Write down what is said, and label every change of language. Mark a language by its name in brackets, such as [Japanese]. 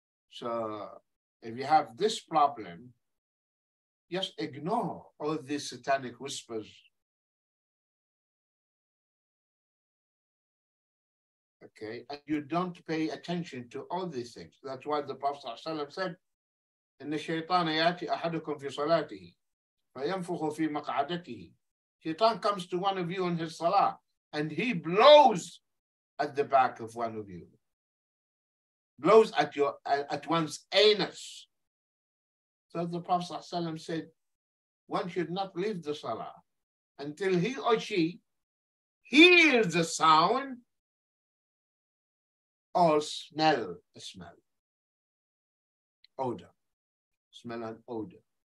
[English] So if you have this problem, just ignore all these satanic whispers. Okay, and you don't pay attention to all these things. That's why the Prophet ﷺ said, [Arabic] إِنَّ الشَّيْطَانَ يَأْتِي أَحَدُكُمْ فِي صَلَاتِهِ فَيَنْفُخُ فِي مَقْعَدَتِهِ. [English] Shaitan comes to one of you in his salah and he blows at the back of one of you. Blows at your at one's anus. So the Prophet ﷺ said, one should not leave the salah until he or she hears a sound or smell a smell. Odor. Smell an odor.